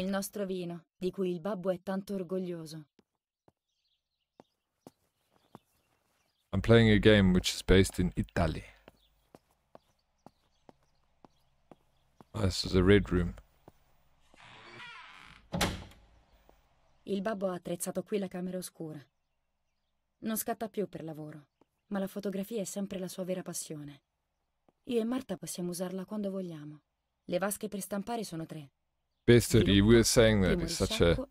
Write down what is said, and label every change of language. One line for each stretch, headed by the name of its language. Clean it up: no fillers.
Italian: Il nostro vino, di cui il babbo è tanto orgoglioso.
English: I'm playing a game which is based in Italy. Oh, this is a red room.
Italian: Il babbo ha attrezzato qui la camera oscura. Non scatta più per lavoro, ma la fotografia è sempre la sua vera passione. Io e Marta possiamo usarla quando vogliamo. Le vasche per stampare sono tre.
English: Bested, you were saying that it's such a